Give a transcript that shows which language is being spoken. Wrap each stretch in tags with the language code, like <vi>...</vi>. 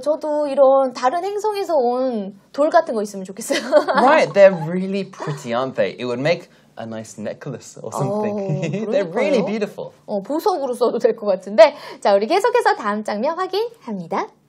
<ko>저도 이런 다른 행성에서 온 돌 같은 거 있으면 좋겠어요.</ko> <en>Right, they're really pretty, aren't they? It would make a nice necklace or something. They're really beautiful.</en> <ko>보석으로 써도 될 것 같은데. 자, 우리 계속해서 다음 장면 확인합니다.</ko>